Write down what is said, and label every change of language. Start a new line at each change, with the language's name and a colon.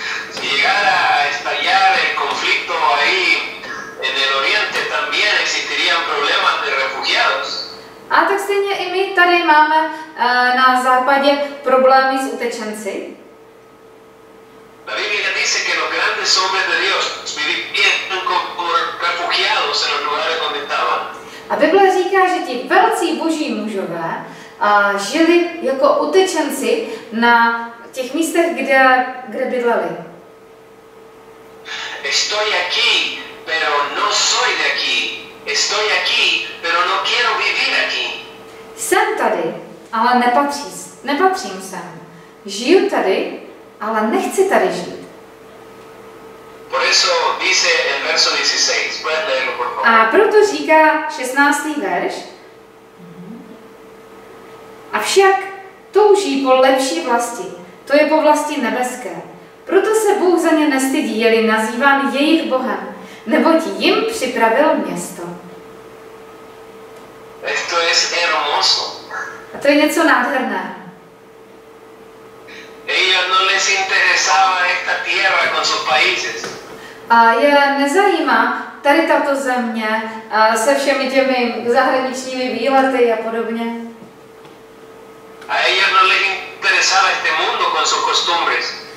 Spanish: Si llegara a estallar el conflicto ahí en el Oriente, también existirían problemas de refugiados.
Czech: A tak stejně i my tady máme na západě problémy s utečenci.
Spanish: La Biblia dice que los grandes hombres de Dios vivían como refugiados en los lugares donde estaban.
Czech: A Biblia říká, že ti velcí boží mužové žili jako utečenci na těch místech, kde bydleli.
Spanish: Estoy aquí, pero no soy de aquí. Estoy aquí, pero no quiero vivir aquí.
Czech: Jsem tady, ale nepatřím sem. Žiju tady, ale nechci tady žít.
Spanish: Por eso dice en verso 16, puedes leerlo, por favor.
Czech: A proto říká 16. verš. Avšak touží po lepší vlasti, to je po vlasti nebeské. Proto se Bůh za ně nestydí, je-li nazýván jejich Bohem, neboť jim připravil město.
Spanish: Esto es hermoso.
Czech: A to je něco nádherné.
Spanish: Ellos no les interesaba esta tierra con sus países.
Czech: A je nezajímá tady tato země se všemi těmi zahraničními výlety a podobně.
Spanish: A ellos no les interesaba este mundo con sus costumbres.